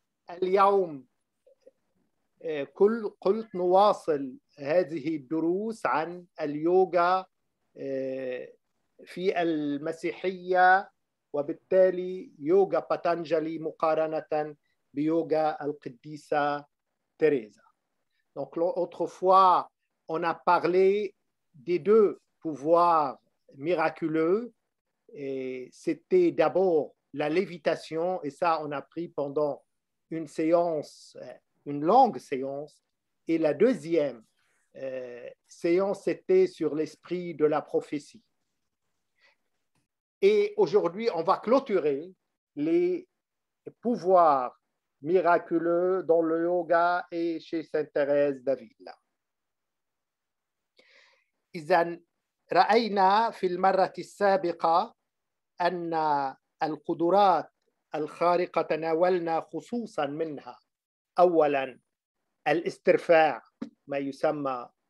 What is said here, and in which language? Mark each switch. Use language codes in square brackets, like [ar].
[ar] اليوم قلت نواصل هذه الدروس عن اليوغا في المسيحية وبالتالي يوغا باتانجالي مقارنة Yoga Al-Qaddisa Teresa. [fr] Donc, autrefois, on a parlé des deux pouvoirs miraculeux. C'était d'abord la lévitation, et ça, on a pris pendant une séance, une longue séance. Et la deuxième séance, c'était sur l'esprit de la prophétie. Et aujourd'hui, on va clôturer les pouvoirs miraculeux dans le yoga et chez Sainte-Thérèse d'Avila. [ar] إذن رأينا في المرة السابقة أن القدرات الخارقة تناولنا خصوصا منها أولا الاسترفاع ما يسمى